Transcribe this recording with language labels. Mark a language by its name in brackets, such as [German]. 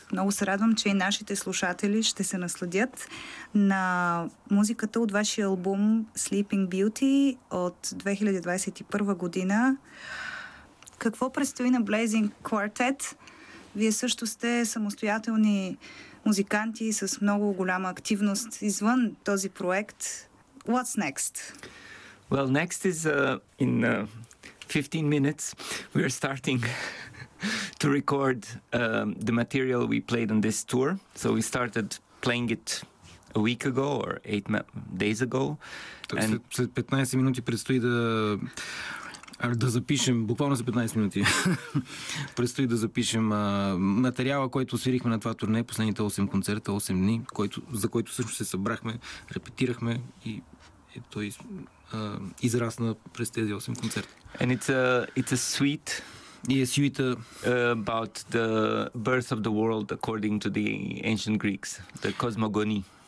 [Bulgarian] Много се радвам, че и нашите слушатели ще се насладят на музиката от вашия албум Sleeping Beauty от 2021 година. Какво предстои на Blazing Quartet? Вие също сте самостоятелни музиканти с много голяма активност извън този проект. [English] What's next? Well, next is in... 15 minutes, we are starting to record the material we played on this tour. So we started playing it a week ago or 8 days ago. And [Bulgarian] след 15 минути предстои да запишем, буквално за 15 минути, предстои да запишем материала, който свирихме на това турне, последните 8 концерта, 8 дни, за който също се събрахме, репетирахме и той... израсна през тези 8 концерта. [English] And it's a suite. [Bulgarian] И е сюита [English] about the birth of the world according to the ancient Greeks, the cosmogony.